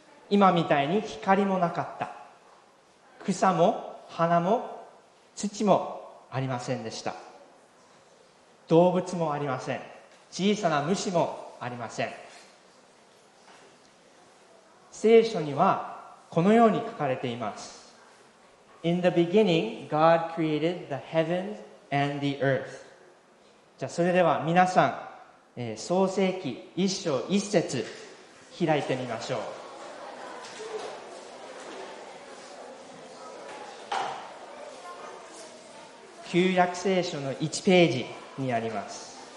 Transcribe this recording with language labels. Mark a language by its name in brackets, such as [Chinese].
[Japanese] 今みたいに光もなかった。草も花も土もありませんでした。動物もありません。小さな虫もありません。聖書にはこのように書かれています。 [English] In the beginning, God created the heavens and the earth. [Japanese] じゃあそれでは皆さん、創世記一章一節開いてみましょう。旧約聖書の1ページにあります。